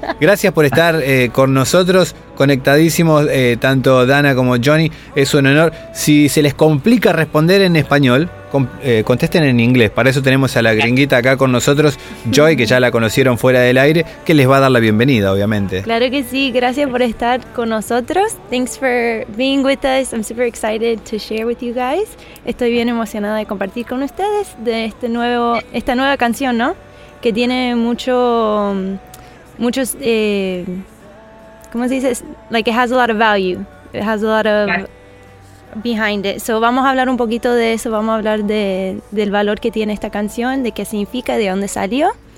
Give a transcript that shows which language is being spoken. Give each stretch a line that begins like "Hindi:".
Spanish: Gracias por estar con nosotros, conectadísimos, tanto Dana como Johnny. Es un honor. Si se les complica responder en español, contesten en inglés. Para eso tenemos a la gringuita acá con nosotros, Joy, que ya la conocieron fuera del aire, que les va a dar la bienvenida, obviamente. Claro que sí. Gracias por estar con nosotros.
English: Thanks for being with us. I'm super excited to share with you guys.
Spanish: Estoy bien emocionada de compartir con ustedes de este nuevo, esta nueva canción, ¿no? Que tiene mucho, muchos, ¿cómo se dice?
English: Like, it has a lot of value. It has a lot of behind it.
Spanish: So, vamos a hablar un poquito de eso. Vamos a hablar de, del valor que tiene esta canción, de qué significa, de dónde salió.